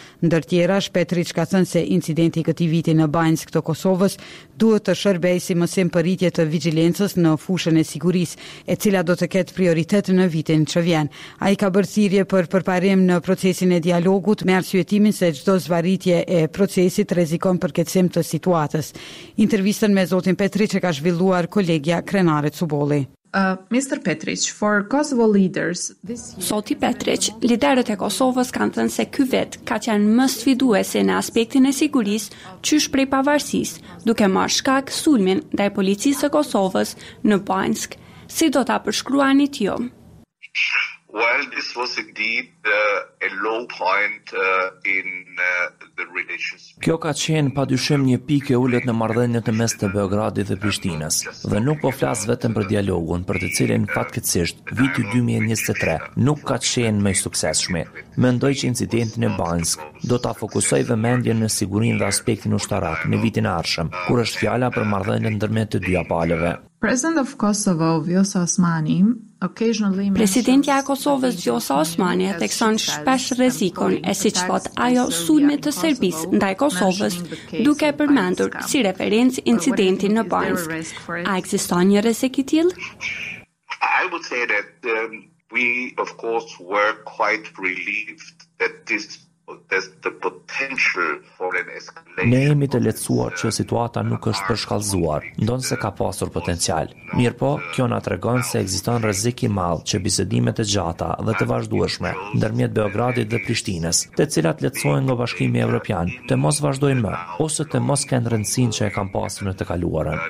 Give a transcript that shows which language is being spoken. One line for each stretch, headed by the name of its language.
Albanian: Ndër tjera, Petrić ka thënë se incidenti këtij viti në Banjsk të Kosovës duhet të shërbejë si mësim për rritje të vigjilencës në fushën e sigurisë, e cila do të ketë prioritet në vitin që vjen. Ai ka bërë thirrje për përparim në procesin e dialogut me arsyetimin se çdo zvarritje e procesit rrezikon përkeqësim të situatës. Intervistën me zotin Petrić e ka zhvilluar kolegja Krenare Cuboli.
English: Mr. Petrić, for Kosovo leaders this year...
Albanian: Zoti Petrić, liderët e Kosovës kanë thënë se ky vit ka qenë më sfiduese në aspektin e sigurisë, qysh prej pavarësisë, duke marrë shkak sulmin ndaj policisë së Kosovës në Banjsk. Si do ta përshkruani ti?
English: Well, this was indeed a low point in the relations.
Albanian: Kjo ka qenë padyshim një pikë ulët në marrëdhëniet e mes të Beogradit dhe Prishtinës. Dhe nuk po flas vetëm për dialogun, për të cilin fatkeqësisht viti 2023 nuk ka qenë më i suksesshëm. Mendoj që incidenti në Banjsk do ta fokusoj vëmendjen në sigurinë dhe aspektin ushtarak në vitin e ardhshëm, kur është fjala për marrëdhëniet ndërmjet të dyja palëve.
English: President of Kosovo, Vjosa Osmani, occasionally...
Albanian: Presidentja e Kosovës, Vjosa Osmani, thekson shpesh rezikon e si që thot ajo sulme të Serbis ndaj Kosovës, duke përmendur si referencë incidentin në Banjsk. A ekziston një rrezik i tillë?
English: I would say that we, of course, were quite relieved that this...
Albanian: Ne jemi të lehtësuar që situata nuk është përshkallëzuar, ndonëse ka pasur potencial. Mirë po, kjo na tregon se ekziston rrezik i madh që bisedimet e gjata dhe të vazhdueshme ndërmjet Beogradit dhe Prishtinës, të cilat lehtësohen nga Bashkimi Evropian, të mos vazhdojnë më, ose të mos kenë rëndësinë që e kanë pasur në të kaluarën.